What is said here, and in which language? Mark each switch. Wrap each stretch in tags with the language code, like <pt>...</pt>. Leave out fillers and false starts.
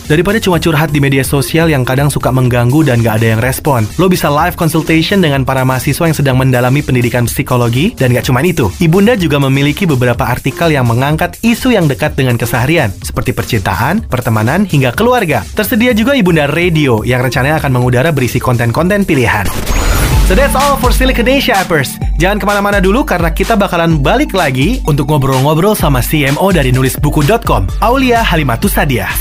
<id>Daripada cuma curhat di media sosial yang kadang suka mengganggu dan nggak ada yang respon, lo bisa live consultation dengan para mahasiswa yang sedang mendalami pendidikan psikologi, dan nggak cuma itu. iBunda juga memiliki beberapa artikel yang mengangkat isu yang dekat dengan keseharian, seperti percintaan, pertemanan, hingga keluarga. Tersedia juga iBunda Radio, yang rencananya akan mengudara berisi konten-konten pilihan.</id> <en>So that's all for Silikonesia Appers.</en> <id>Jangan kemana-mana dulu karena kita bakalan balik lagi untuk ngobrol-ngobrol sama CMO dari nulisbuku.com, Aulia Halimatus Hadiah.</id>